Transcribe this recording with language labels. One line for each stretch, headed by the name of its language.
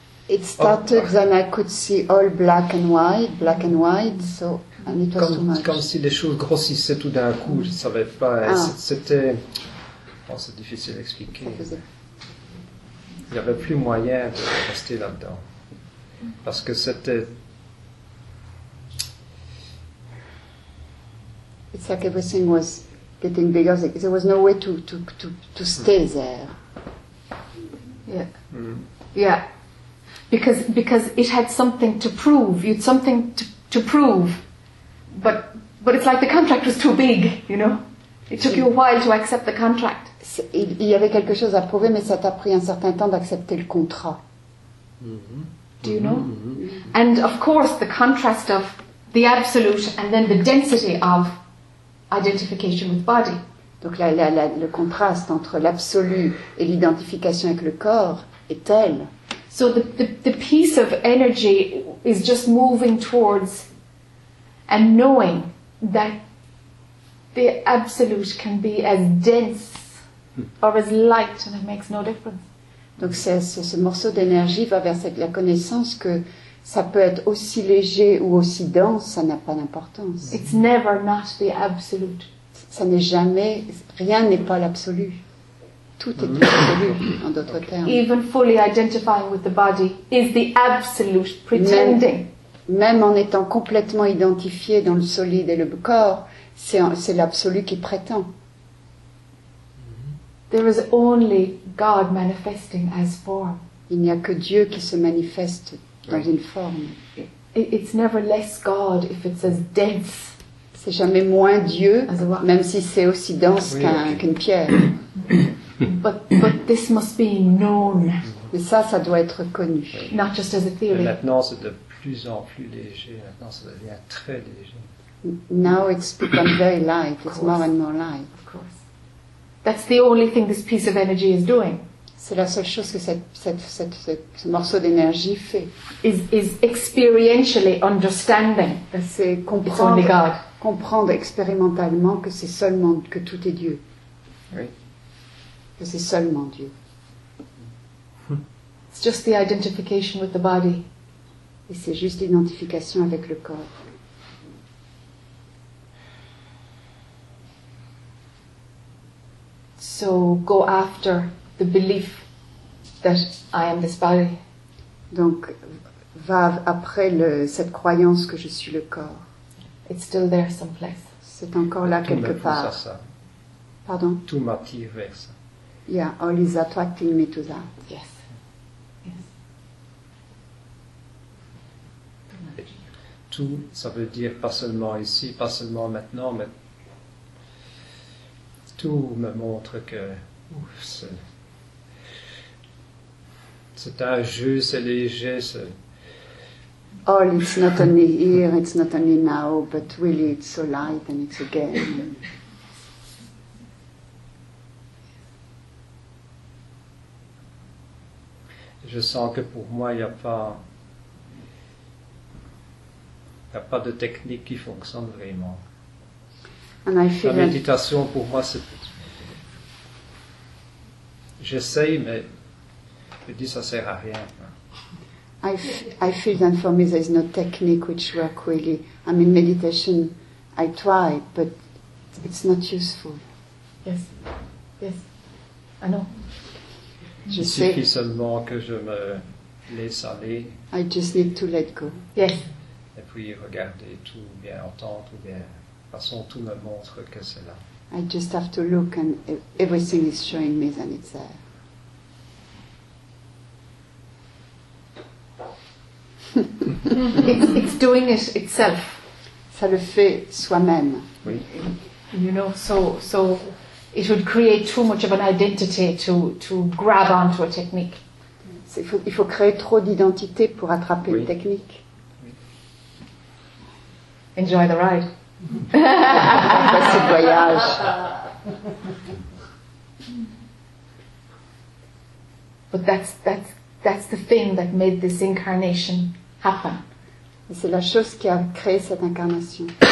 English: It started when I could see all black and white, so... And it was
French: comme,
English: too much.
French: Comme si les choses grossissaient tout d'un coup, je ne savais pas. C'était... Bon, c'est difficile à expliquer. Il n'y avait plus moyen de rester là-dedans. Parce que c'était...
English: It's like everything was getting bigger. There was no way to stay there. Yeah. Yeah. Because it had something to prove. You had something to prove. But it's like the contract was too big, you know? It took you a while to accept the contract.
French: Il y avait quelque chose à prouver, mais ça t'a pris un certain temps d'accepter le contrat.
English: Mm-hmm. Do you know? Mm-hmm. And of course, the contrast of the absolute and then the density of identification with body.
French: Donc le contraste entre l'absolu et l'identification avec le corps est tel.
English: So the piece of energy is just moving towards and knowing that the absolute can be as dense or as light, and it makes no difference.
French: Donc ce morceau d'énergie va vers la connaissance que ça peut être aussi léger ou aussi dense, ça n'a pas d'importance.
English: It's never not the absolute.
French: Ça n'est jamais, rien n'est pas l'absolu. Tout est l'absolu, en d'autres termes.
English: Even fully identifying with the body is the absolute pretending.
French: Même en étant complètement identifié dans le solide et le corps, c'est l'absolu qui prétend.
English: There is only God manifesting as form.
French: Il n'y a que Dieu qui se manifeste dans une forme.
English: It's never less God if it's as dense.
French: C'est jamais moins Dieu, même si c'est aussi dense qu'une pierre.
English: But this must be known.
French: Mais ça doit être connu.
English: Not just as a theory.
French: Et maintenant, c'est de plus en plus léger. Maintenant, ça devient très léger.
English: Now it's become very light. It's more and more light. Of course. That's the only thing this piece of energy is doing.
French: C'est la seule chose que ce morceau d'énergie fait.
English: Is experientially understanding.
French: C'est comprendre expérimentalement que c'est seulement que tout est Dieu. Oui. Que c'est seulement Dieu.
English: It's just the identification with the body.
French: Et c'est juste l'identification avec le corps.
English: So go after the belief that I am this body.
French: Donc, va après cette croyance que je suis le corps.
English: It's still there someplace.
French: C'est encore là quelque part. Tout m'attire vers ça. Pardon? Tout m'attire vers ça.
English: Yeah, all is attracting me to that. Yes.
French: Tout, ça veut dire pas seulement ici, pas seulement maintenant, mais... Tout me montre que c'est un jeu, c'est léger. C'est...
English: All it's not only here, it's not only now, but really it's so light and it's a game.
French: Je sens que pour moi, il n'y a pas de technique qui fonctionne vraiment.
English: And I feel
French: la méditation
English: that...
French: pour moi, c'est j'essaye, mais je dis ça sert à rien.
English: I feel that for me there is no technique which work really. I mean meditation, I try, but it's not useful. Yes, yes, I know.
French: Je sais. Il suffit seulement que je me laisse aller.
English: I just need to let go. Yes.
French: Et puis regarder tout, bien entendre, ou bien de toute façon tout me montre que c'est là.
English: I just have to look and everything is showing me that it's there. It's doing it itself.
French: Ça le fait soi-même. Oui.
English: You know, so it would create too much of an identity to grab onto a technique.
French: Il faut créer trop d'identité pour attraper une technique. Oui.
English: Enjoy the ride.
French: Passez le voyage.
English: But that's the thing that made this incarnation happen.
French: Et c'est la chose qui a créé cette incarnation.